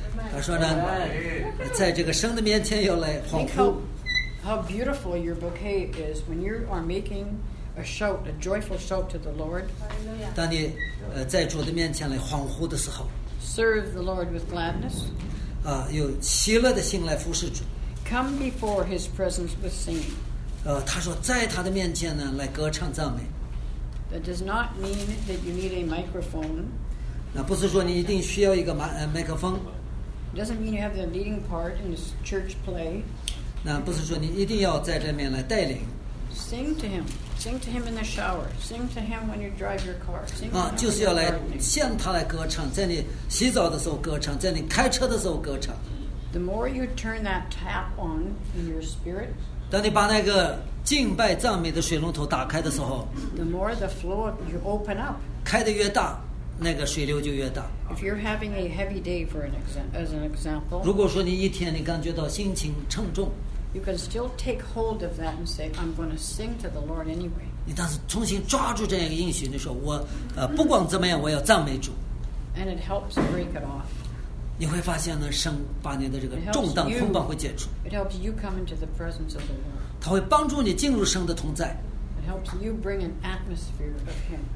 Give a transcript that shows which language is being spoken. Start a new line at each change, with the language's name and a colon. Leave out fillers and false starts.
Chinese: 他说呢，在这个神的面前要来欢呼。
English: How beautiful your bouquet is when you are making a shout, a joyful shout to the Lord.
Chinese: 当你在主的面前来欢呼的时候。
English: Serve the Lord with gladness.
Chinese: 有喜乐的心来服侍主。
English: Come before His presence with singing.
Chinese: 他说在他的面前呢来歌唱赞美。
English: That does not mean that you need a microphone.
Chinese: 那不是说你一定需要一个麦克风。
English: It doesn't mean you have the leading part in this church play.
Chinese: 那不是说你一定要在这面来带领。
English: Sing to him. Sing to him in the shower. Sing to him when you drive your car. Sing.
Chinese: 就是要来向他来歌唱，在你洗澡的时候歌唱，在你开车的时候歌唱。
English: The more you turn that tap on in your spirit.
Chinese: 当你把那个敬拜赞美的水龙头打开的时候。
English: The more the flow you open up.
Chinese: 开得越大。那个水流就越大。
English: If you're having a heavy day for an example, as an example,
Chinese: 如果说你一天你感觉到心情沉重，
English: you can still take hold of that and say, I'm going to sing to the Lord anyway.
Chinese: 你当时重新抓住这样一个应许，你说我不管怎么样，我要赞美主。
English: And it helps break it off.
Chinese: 你会发现呢，神把你的这个重担捆绑会解除。
English: It helps you come into the presence of the Lord.
Chinese: 它会帮助你进入神的同在。
English: It helps you bring an atmosphere of Him.